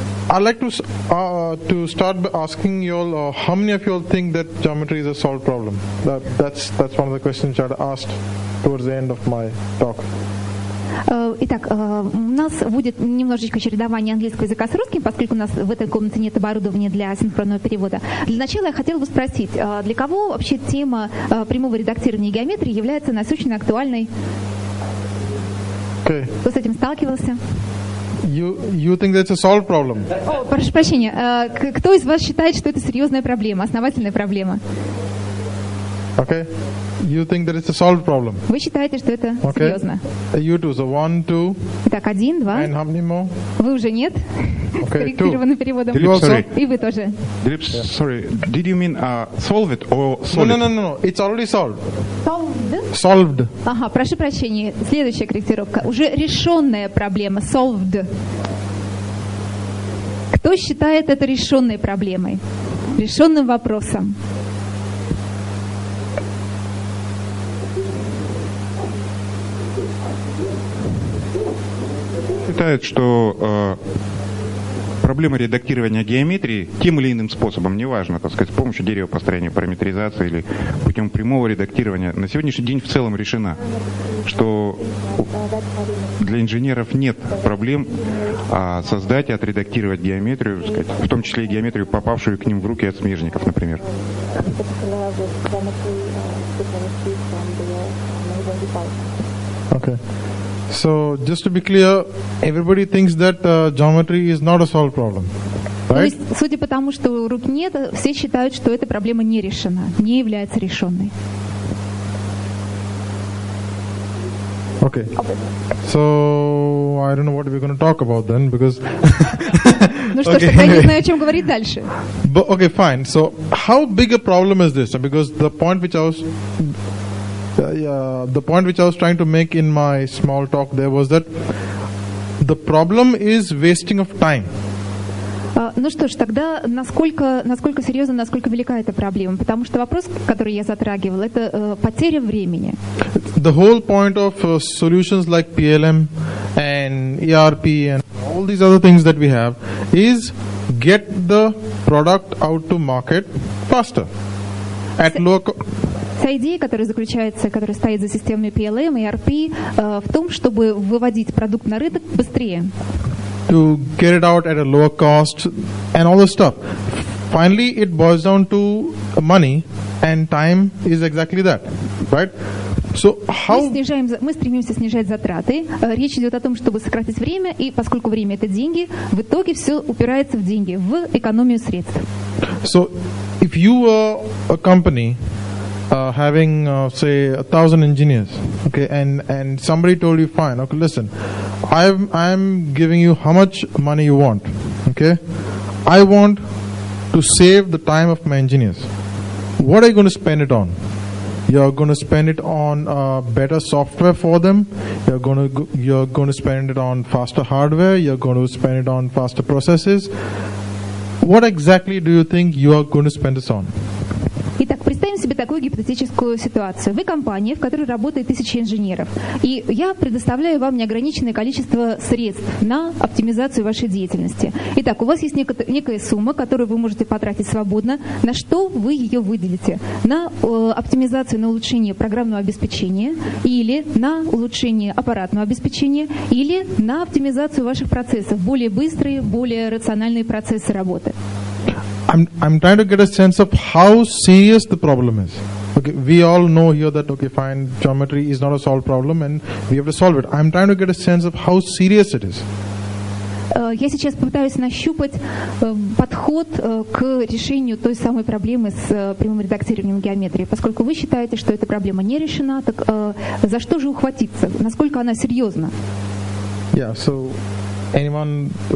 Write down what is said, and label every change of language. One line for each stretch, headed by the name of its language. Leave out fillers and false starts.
English: I'd like to start by asking you all, how many of you all think that geometry is a solved problem? That's one of the questions I'd asked towards the end of my talk.
Russian: Итак, у нас будет немножечко чередование английского языка с русским, поскольку у нас в этой комнате нет оборудования для синхронного перевода. Для начала я хотела бы спросить, для кого вообще тема прямого редактирования геометрии является насущно актуальной?
English: Okay.
Russian: Кто с этим сталкивался?
English: You think that's a solved problem?
Russian: Oh, прошу прощения, кто из вас считает, что это серьезная проблема, основательная проблема?
English: Okay. You think that it's a solved problem?
Russian: Вы считаете, что это серьезно?
English: Okay. You too. So one, two.
Russian: Итак, один, два.
English: And how many more?
Russian: Вы уже нет.
English: Okay,
Russian: с корректированным переводом.
English: You also?
Russian: И вы тоже.
English: Dilip, sorry. Did you mean solve it or solve no, it? No. It's already solved. Solved? Solved.
Russian: Ага, прошу прощения. Следующая корректировка. Уже решенная проблема.
English: Solved.
Russian: Кто считает это решенной проблемой? Решенным вопросом? Считают, что проблема редактирования геометрии тем или иным способом, неважно, так сказать, с помощью деревопостроения, параметризации или путем прямого редактирования, на сегодняшний день в целом решена, что для инженеров нет проблем создать и отредактировать геометрию, так сказать, в том числе и геометрию, попавшую к ним в руки от смежников, например.
English: Okay. So, just to be clear, everybody thinks that geometry is not a solved problem, right?
Russian: То есть, судя по тому, что рук нет, все считают, что эта проблема не решена, не является решенной.
English: Okay. So, I don't know what we're going to talk about then, because...
Russian: Ну что ж, я не знаю, о чем говорить дальше.
English: Okay, fine. So, how big a problem is this? Because the point which I was... the point which I was trying to make in my small talk there was that the problem is wasting of time.
Russian: Ну что ж, тогда насколько серьезно, насколько велика эта проблема? Потому что вопрос, который я затрагивал, это потеря времени.
English: The whole point of solutions like PLM and ERP and all these other things that we have is get the product out to market faster at lower.
Russian: Та идея, которая заключается, которая стоит за системами PLM и ERP, в том, чтобы выводить продукт на рынок быстрее.
English: To get it out at a lower cost and all the stuff. Finally, it boils down to money and time is exactly that, right? So how...
Russian: Мы стремимся снижать затраты. Речь идет о том, чтобы сократить время, и поскольку время — это деньги, в итоге все упирается в деньги, в экономию средств.
English: So if you are a company having say 1,000 engineers, okay, and somebody told you, fine, okay, listen, I'm giving you how much money you want, okay, I want to save the time of my engineers. What are you going to spend it on? You're going to spend it on better software for them. You're going to spend it on faster hardware. You're going to spend it on faster processes. What exactly do you think you are going to spend this on?
Russian: Итак, представим себе такую гипотетическую ситуацию. Вы компания, в которой работает 1000 инженеров, и я предоставляю вам неограниченное количество средств на оптимизацию вашей деятельности. Итак, у вас есть некая сумма, которую вы можете потратить свободно. На что вы ее выделите? На оптимизацию, на улучшение программного обеспечения, или на улучшение аппаратного обеспечения, или на оптимизацию ваших процессов, более быстрые, более рациональные процессы работы?
English: I'm trying to get a sense of how serious the problem is. Okay, we all know here that, okay, fine, geometry is not a solved problem and we have to solve it. I'm trying to get a sense of how serious it is.
Russian: Я сейчас пытаюсь нащупать подход к решению той самой проблемы с прямым редактированием геометрии. Поскольку вы считаете, что эта проблема не решена, так за что же ухватиться? Насколько она серьезна?
English: Yeah, so anyone,